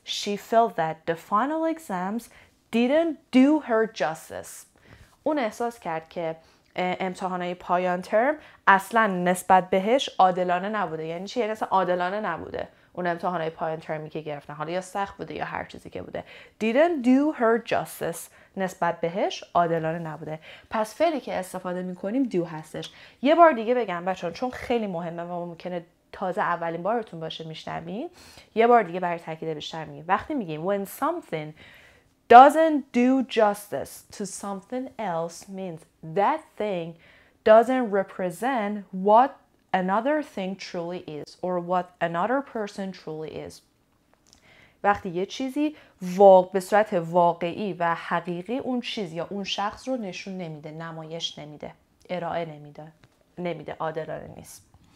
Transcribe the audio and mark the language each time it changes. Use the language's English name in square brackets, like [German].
[English] She felt that the final exams didn't do her justice. [Persian] اون احساس کرد که امتحانای پایان ترم اصلا نسبت بهش عادلانه نبوده. یعنی چی؟ یعنی اصلا عادلانه نبوده اون امتحانای پایان ترمی که گرفتن، حالا یا سخت بوده یا هر چیزی که بوده. [English] Didn't do her justice، [Persian] نسبت بهش عادلانه نبوده. پس فعلی که استفاده میکنیم دو هستش. یه بار دیگه بگم بچه‌ها، چون خیلی مهمه و ممکنه تازه اولین بارتون باشه میشنوین، یه بار دیگه برای تاکید بیشتر میگیم. وقتی میگیم [English] when something doesn't do justice to something else means that thing doesn't represent what another thing truly is or what another person truly is. [Persian] وقتی یه چیزی به صورت واقعی و حقیقی اون چیز یا اون شخص رو نشون نمیده، نمایش نمیده، ارائه نمیده، عادلانه نیست.